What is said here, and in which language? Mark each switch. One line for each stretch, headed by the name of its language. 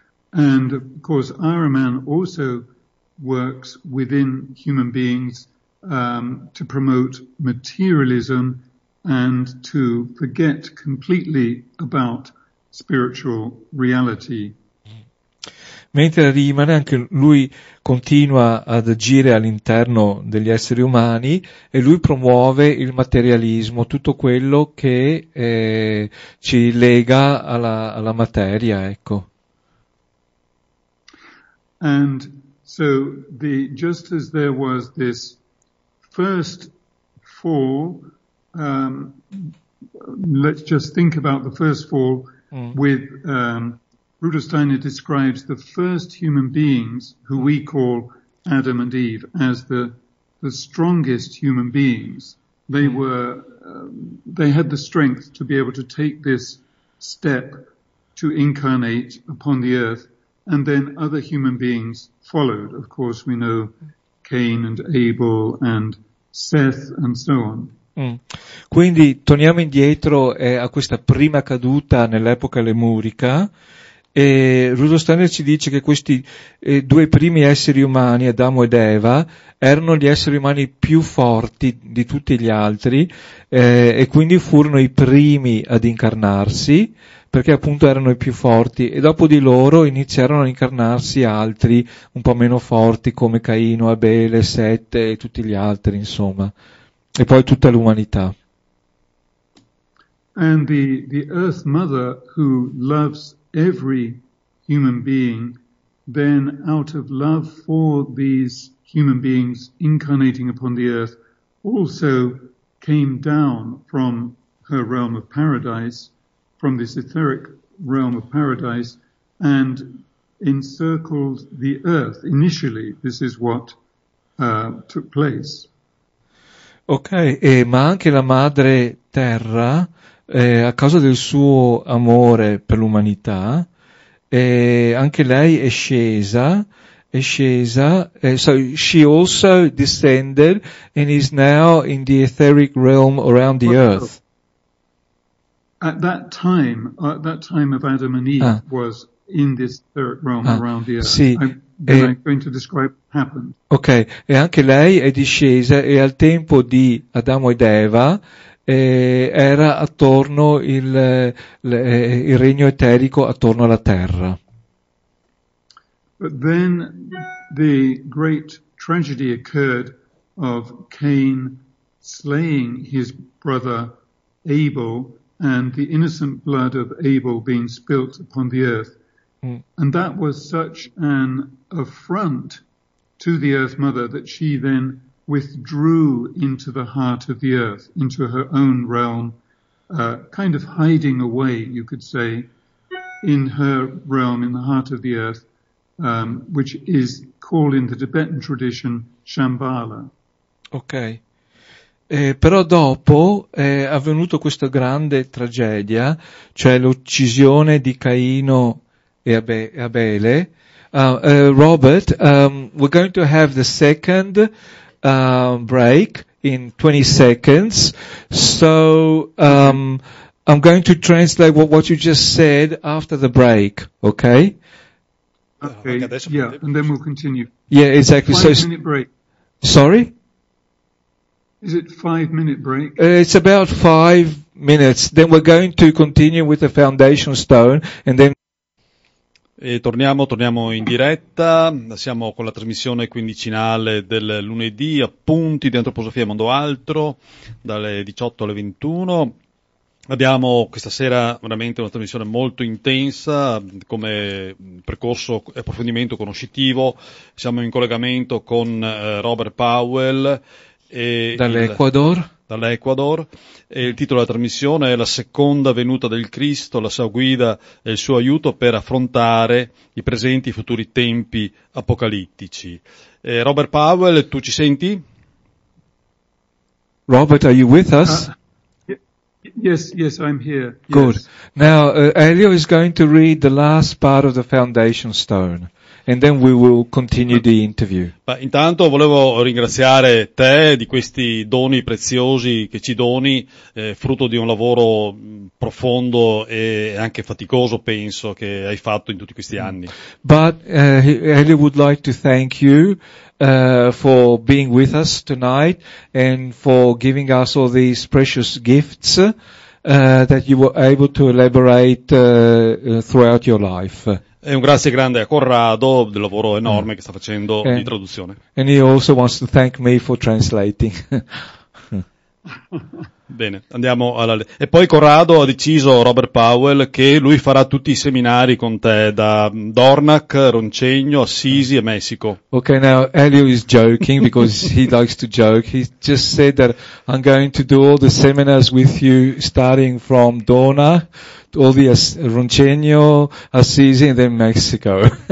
English: And of course Ahriman also works within human beings to promote materialism and to forget completely about spiritual reality.
Italian: Mentre Rimane, anche lui continua ad agire all'interno degli esseri umani, e lui promuove il materialismo, tutto quello che ci lega alla materia, ecco.
English: And so just as there was this first fall, let's just think about the first fall with Rudolsteiner describes the first human beings who we call Adam and Eve as the strongest human beings. They were they had the strength to be able to take this step to incarnate upon the earth, and then other human beings followed. Of course we know Cain and Abel and Seth and so on.
Italian: Quindi torniamo indietro a questa prima caduta nell'epoca lemurica, e Rudolf Steiner ci dice che questi due primi esseri umani, Adamo ed Eva, erano gli esseri umani più forti di tutti gli altri, e quindi furono i primi ad incarnarsi, perché appunto erano i più forti, e dopo di loro iniziarono ad incarnarsi altri un po' meno forti, come Caino, Abele, Sette e tutti gli altri, insomma. E poi tutta l'umanità.
English: And the Earth Mother, who loves every human being, then out of love for these human beings incarnating upon the earth, also came down from her realm of paradise, from this etheric realm of paradise, and encircled the earth initially. This is what took place.
Italian: Ok, ma anche la madre terra, a causa del suo amore per l'umanità, anche lei è scesa,
English: so she also descended and is now in the etheric realm around the earth. At that time of Adam and Eve was in this etheric realm around the earth.
Italian: Sì.
English: I'm going to describe what happened.
Italian: Ok, e anche lei è discesa, e al tempo di Adamo ed Eva era attorno il regno eterico attorno alla terra.
English: But then the great tragedy occurred of Cain slaying his brother Abel and the innocent blood of Abel being spilt upon the earth. And that was such an affront to the Earth Mother that she then withdrew into the heart of the earth, into her own realm, kind of hiding away, you could say, in her realm, in the heart of the earth, which is called in the Tibetan tradition Shambhala. Okay.
Italian: Però dopo è avvenuto questa grande tragedia, cioè l'uccisione di Caino e Abele.
English: Robert, we're going to have the second break in 20 seconds. So I'm going to translate what you just said after the break, okay? Okay, yeah, and then we'll continue. Yeah, exactly. 5 minute break. Sorry? Is it 5 minute break? It's about 5 minutes. Then we're going to continue with the foundation stone and then...
Italian: E torniamo in diretta. Siamo con la trasmissione quindicinale del lunedì, appunti di Antroposofia Mondo Altro, dalle 18 alle 21. Abbiamo questa sera veramente una trasmissione molto intensa come percorso e approfondimento conoscitivo. Siamo in collegamento con Robert Powell dall'Ecuador. E il titolo della trasmissione è La seconda venuta del Cristo, la sua guida e il suo aiuto per affrontare i presenti e i futuri tempi apocalittici. Robert Powell, tu ci senti?
English: Robert, are you with us? Yes, I'm here. Yes. Good. Now, Elio is going to read the last part of the foundation stone, and then we will continue the interview.
Italian: Beh, intanto volevo ringraziare te di questi doni preziosi che ci doni, frutto di un lavoro profondo e anche faticoso, penso, che hai fatto in tutti questi anni.
English: But Elio would like to thank you for being with us tonight and for giving us all these precious gifts that you were able to elaborate throughout your life.
Italian: E un grazie grande a Corrado del lavoro enorme che sta facendo in traduzione.
English: And he also wants to thank me for translating.
Italian: Bene, andiamo alla e poi Corrado ha deciso, Robert Powell, che lui farà tutti i seminari con te da Dornach, Roncegno, Assisi e Messico.
English: Okay, now Elio is joking because he likes to joke. He just said that I'm going to do all the seminars with you starting from Dornach, all the Roncegno, Assisi and then Mexico.